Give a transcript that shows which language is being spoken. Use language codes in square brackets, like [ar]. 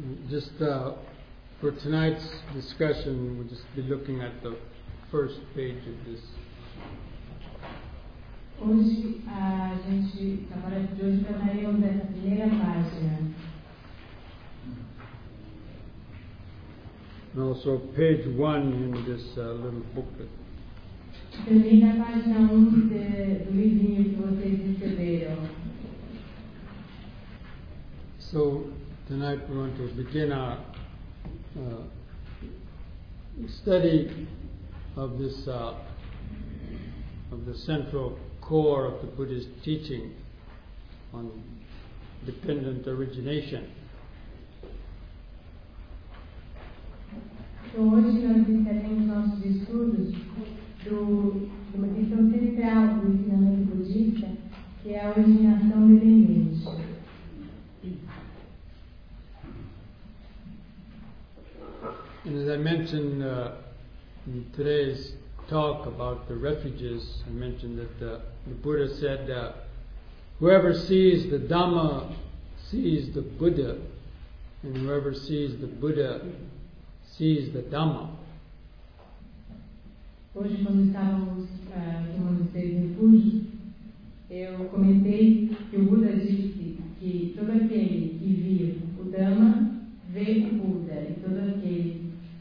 [en] Just for tonight's discussion, we'll just be looking at the first page of this. [pt] Hoje a gente, na hora de hoje, trabalhamos nessa primeira página. [en] And also page 1 in this little booklet. [pt] Também na página 1 do livrinho que vocês receberam. [en] So, tonight we're going to begin our study of this, of the central core of the Buddhist teaching on dependent origination. [pt] Então hoje nós iniciaremos nossos estudos de uma questão central do ensinamento budista, que é a originação dependente. [en] And as I mentioned in today's talk about the refuges, I mentioned that the Buddha said that whoever sees the Dhamma sees the Buddha, and whoever sees the Buddha sees the Dhamma. [pt] Hoje, quando estávamos tomando os três refúgios, eu comentei que o Buda disse que todo aquele que vê o Dhamma vê o Buda, e todo aquele